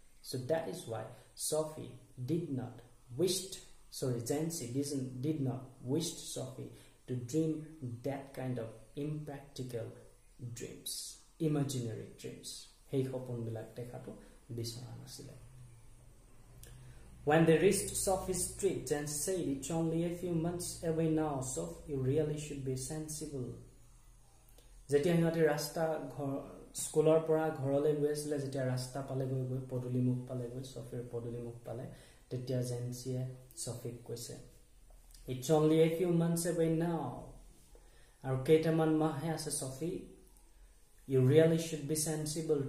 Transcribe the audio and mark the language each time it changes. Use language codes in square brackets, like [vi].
[en] so' that is why Sophie did not wished, চৰি জেন্সি did not wished Sophie to dream that kind of impractical dreams, imaginary dreams, [as] সেই সপোনবিলাক দেখাটো বিচৰা নাছিলে। [en] When they reached Sophie's street, Jen said, "It's only a few months away now, Soph, you really should be sensible." [as] যেতিয়া সিহঁতে ৰাস্তা ঘৰ স্কুলৰ পৰা ঘৰলৈ গৈ আছিলে, যেতিয়া ৰাস্তা পালেগৈ গৈ পদূলিমুখ পালেগৈ, ছফীৰ পদূলিমুখ পালে, তেতিয়া জেন্সিয়ে ছফীক কৈছে, [en] "It's only a few months away now." [as] আৰু কেইটামান মাহহে আছে ছফী, [en] "You really should be sensible."